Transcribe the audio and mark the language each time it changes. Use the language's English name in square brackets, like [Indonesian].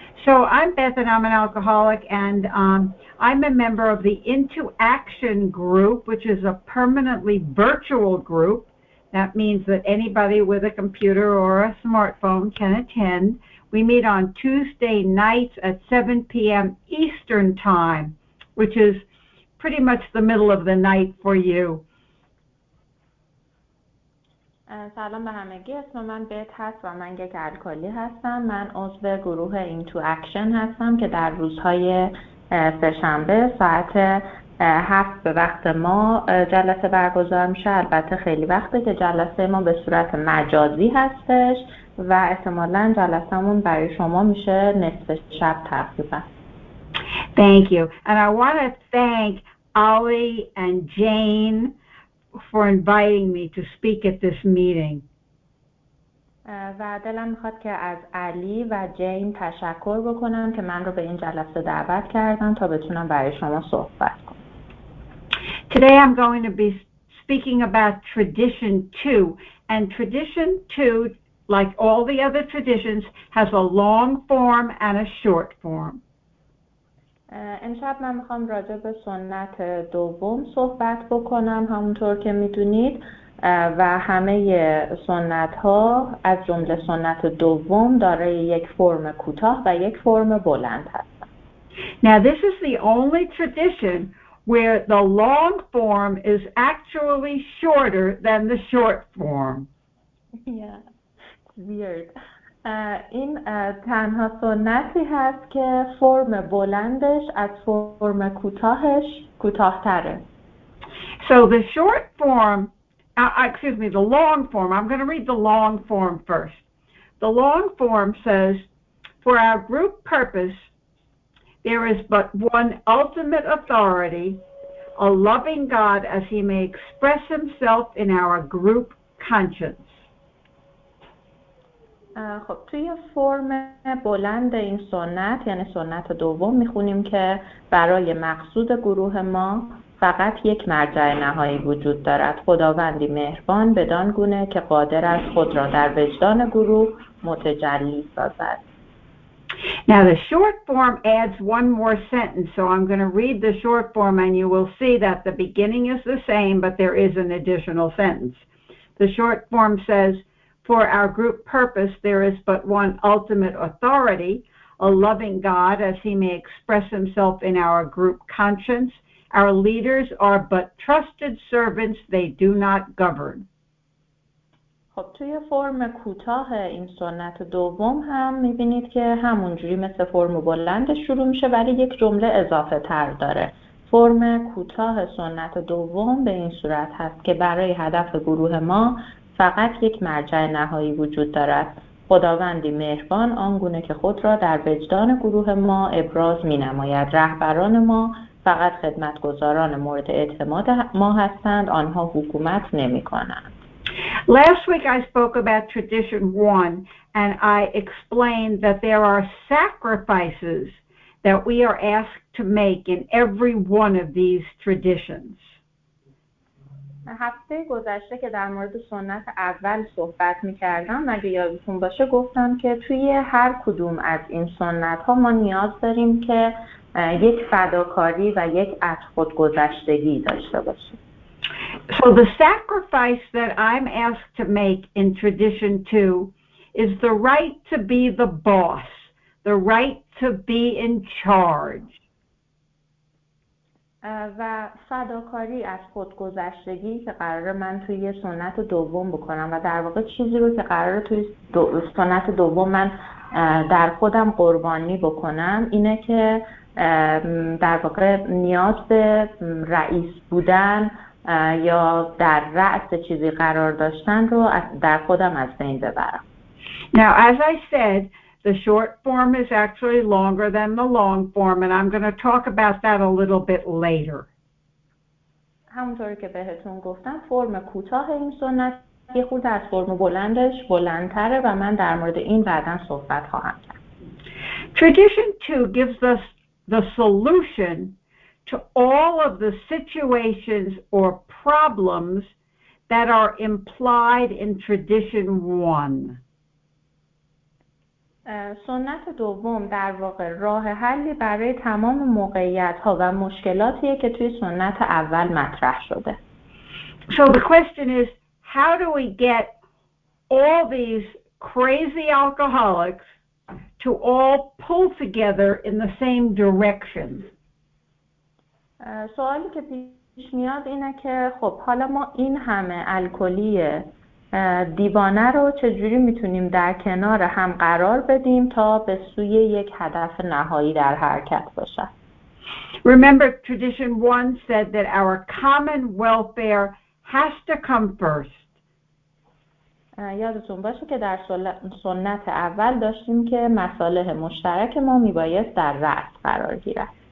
[English] So I'm Beth and I'm an alcoholic, and I'm a member of the Into Action group, which is a permanently virtual group. That means that anybody with a computer or a smartphone can attend. We meet on Tuesday nights at 7 p.m. Eastern Time, which is pretty much the middle of the night for you. [Persian] سلام به همگی، اسم من بت هست و من یک الکلی هستم. من عضو گروه Into Action هستم که در روزهای سه‌شنبه ساعت 7 به وقت ما جلسه برگزار میشه. البته خیلی وقته که جلسه ما به صورت مجازی هستش و احتمالاً جلسه‌مون برای شما میشه نصف شب تقریبا. [English] Thank you. And I want to thank Ali and Jane for inviting me to speak at this meeting. [Persian] و دلم میخواد که از علی و جین تشکر بکنم که من رو به این جلسه دعوت کردن تا بتونم برای شما صحبت کنم. [English] Today I'm going to be speaking about tradition 2, and tradition 2, like all the other traditions, has a long form and a short form. [Persian] امشب من میخوام راجع به سنت دوم صحبت بکنم، همونطور که میدونید، و همه سنت ها از جمله سنت دوم دارای یک فرم کوتاه و یک فرم بلند هستند. [English] Now this is the only tradition where the long form is actually shorter than the short form. Yeah, weird. [Persian] این تنها سنتی هست که فرم بلندش از فرم کوتاهش کوتاه‌تره. [English] So the short form, excuse me, the long form. I'm going to read the long form first. The long form says, for our group purpose, there is but one ultimate authority, a loving God as he may express himself in our group conscience. [Persian] خب توی فرم بلند این سنت، یعنی سنت دوم، میخونیم که برای مقصود گروه ما فقط یک مرجع نهایی وجود دارد، خداوندی مهربان بدان گونه که قادر است خود را در وجدان گروه متجلی سازد. [English] Now the short form adds one more sentence, so I'm going to read the short form and you will see that the beginning is the same but there is an additional sentence. The short form says, for our group purpose, there is but one ultimate authority, a loving God, as he may express himself in our group conscience. Our leaders are but trusted servants. They do not govern. [Persian] خب توی فرم کوتاه این سنت دوم هم میبینید که همونجوری مثل فرم بلند شروع میشه، ولی یک جمله اضافه تر داره. فرم کوتاه سنت دوم به این صورت هست که برای هدف گروه ما فقط یک مرجع نهایی وجود دارد، خداوندی مهربان آنگونه که خود را در وجدان گروه ما ابراز می نماید. رهبران ما فقط خدمتگزاران مورد اعتماد ما هستند، آنها حکومت نمی کنند. [English] Last week I spoke about tradition one and I explained that there are sacrifices that we are asked to make in every one of these traditions. [Persian] هفته گذشته که در مورد سنت اول صحبت می‌کردم، اگه یادتون باشه گفتم که توی هر کدوم از این سنت‌ها ما نیاز داریم که یک فداکاری و یک از خودگذشتگی داشته باشیم. [English] So the sacrifice that I'm asked to make in tradition 2 is the right to be the boss, the right to be in charge. [Persian] و فداکاری از خودگذشتگی که قراره من توی سنت دوم بکنم و در واقع چیزی رو که قراره توی سنت دوم من در خودم قربانی بکنم اینه که در واقع نیاز به رئیس بودن یا در رأس چیزی قرار داشتن رو در خودم از بین ببرم. [English] Now, as I said, the short form is actually longer than the long form, and I'm going to talk about that a little bit later. [Persian] همونطوری که بهتون گفتم فرم کوتاه این سنت یه خود از فرم بلندش بلندتره و من در مورد این بعدا صحبت خواهم کرد. [English] Tradition 2 gives us the solution to all of the situations or problems that are implied in Tradition 1. [Persian] سنت دوم در واقع راه حلی برای تمام موقعیت‌ها و مشکلاتیه که توی سنت اول مطرح شده. [English] So the question is, how do we get all these crazy alcoholics to all pull together in the same direction? [Persian] سوالی که پیش میاد اینه که خب حالا ما این همه الکلی دیوانه رو چجوری میتونیم در کنار هم قرار بدیم تا به سوی یک هدف نهایی در حرکت باشه. [English] Remember, tradition one said that our common welfare has to come first. [Persian] یادتون باشه که در سنت اول داشتیم که مصالح مشترک ما میبایست در رأس قرار گیرد.